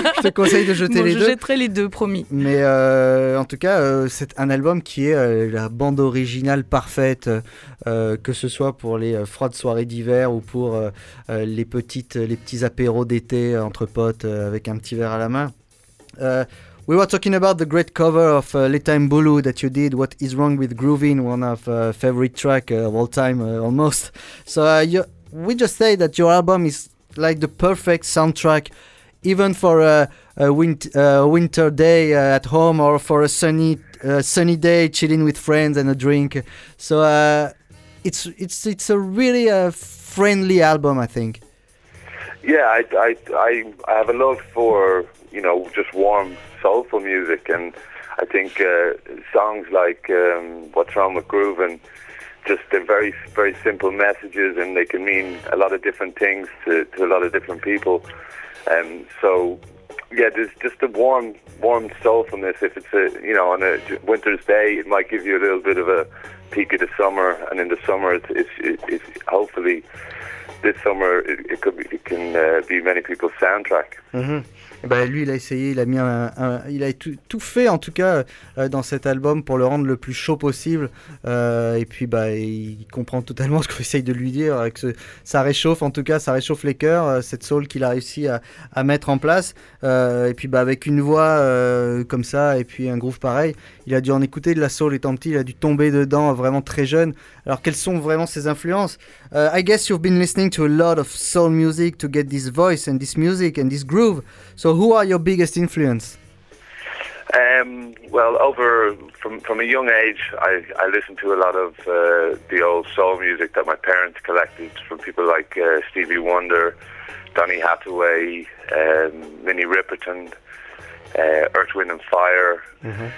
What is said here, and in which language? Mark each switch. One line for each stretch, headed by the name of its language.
French: Je te conseille de jeter les deux. Je jetterai les deux, promis. Mais en tout cas, c'est un album qui est la bande originale parfaite, que ce soit pour les froides soirées d'hiver ou pour les petits apéros d'été entre potes avec un petit verre à la main.
English: We were talking about the great cover of Leta Mbulu that you did, What is Wrong with Groovin', one of favorite track of all time, almost. So we just say that your album is like the perfect soundtrack, even for a winter day at home, or for a sunny day chilling with friends and a drink. So it's a really friendly album, I think. Yeah, I have a love for, you know, just warm, soulful music, and I think songs like What's Wrong with Groovin', just they're very, very simple messages, and they can mean a lot of different things to a lot of different people. So, yeah, there's just a warm soulfulness. If it's on a winter's day, it might give you a little bit of a peek of the summer, and in the summer, it's hopefully this summer it can be many people's soundtrack. Mm-hmm.
French: Bah lui, il a essayé, il a mis il a tout fait en tout cas dans cet album pour le rendre le plus chaud possible. Et puis bah il comprend totalement ce qu'on essaye de lui dire, que ça réchauffe en tout cas, ça réchauffe les cœurs, cette soul qu'il a réussi à mettre en place. Et puis bah avec une voix comme ça et puis un groove pareil, il a dû en écouter de la soul étant petit, il a dû tomber dedans vraiment très jeune. Alors quelles sont vraiment ses influences?
English: I guess you've been listening to a lot of soul music to get this voice and this music and this groove. So who are your biggest influence? From a young age, I listened to a lot of the old soul music that my parents collected from people like Stevie Wonder, Donny Hathaway, Minnie Riperton, Earth, Wind and Fire. Mm-hmm.